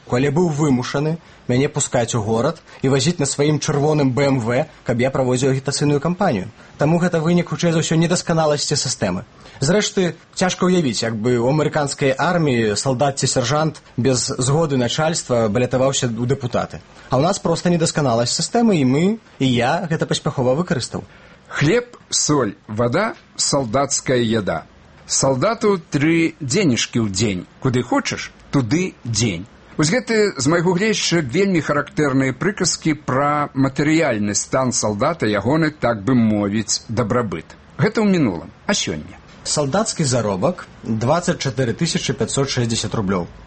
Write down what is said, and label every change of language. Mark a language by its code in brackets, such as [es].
[be] Калі быў вымушаны мяне пускаць у горад і вазіць на сваім чырвоным БМВ, каб я праводзіў агітацыйную кампанію. Таму гэта вынік, хутчэй за ўсё, недасканаласці сістэмы. Зрэшты, цяжка ўявіць, як бы ў амерыканскай арміі салдат ці сержант без згоды начальства балятаваўся ў дэпутаты. А ў нас проста недасканаласць сістэмы, і мы, і я гэта паспяхова выкарыстаў. [ru] Хлеб, соль, вода – солдатская еда. Солдату 3 денежки в день. Куды хочеш, туды день. [be] Вось гэты, з майго глядзяча, вельмі характэрныя прыказкі пра матэрыяльны стан салдата, ягоны, так бы мовіць, дабрабыт. Гэта ў мінулым, а сёння? Салдацкі заробак 24 560 рублёў.